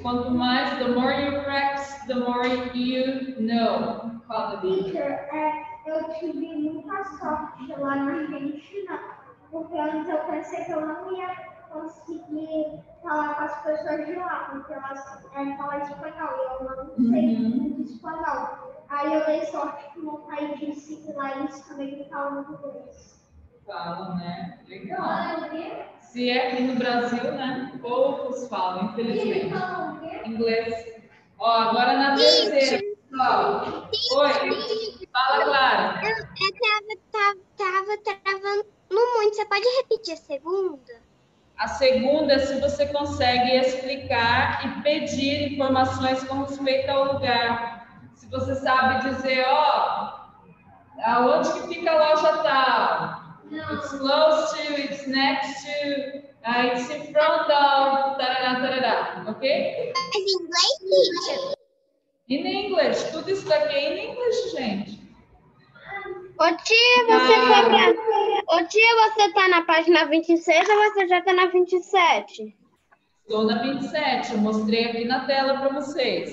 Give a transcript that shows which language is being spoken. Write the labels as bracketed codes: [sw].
[pt] Quanto mais, [en] the more you practice, the more you know. [pt] Teacher, eu tive muita sorte lá na Argentina, porque antes eu pensei que eu não ia conseguir falar com as pessoas de lá, porque elas falam espanhol e eu não sei muito espanhol. Aí eu dei sorte que meu pai disse que lá eles também falam muito inglês. Falam, né? Legal. Se é aqui no Brasil, né? Poucos falam, infelizmente. Fala o quê? Inglês. Ó, agora na terceira. Oi, fala Clara. Eu tava travando muito. Você pode repetir a segunda? A segunda é se você consegue explicar e pedir informações com respeito ao lugar. Se você sabe dizer, ó, aonde que fica a loja tal? Não. [en] It's close to, it's next to, it's in front of, tarará, tarará, ok? [pt] Mas em inglês, gente. [en] In English, [pt] tudo isso daqui é [en] in English, [pt] gente. Ô tia, você tá na... Ô tia, você tá na página 26 ou você já tá na 27? Estou na 27, eu mostrei aqui na tela para vocês.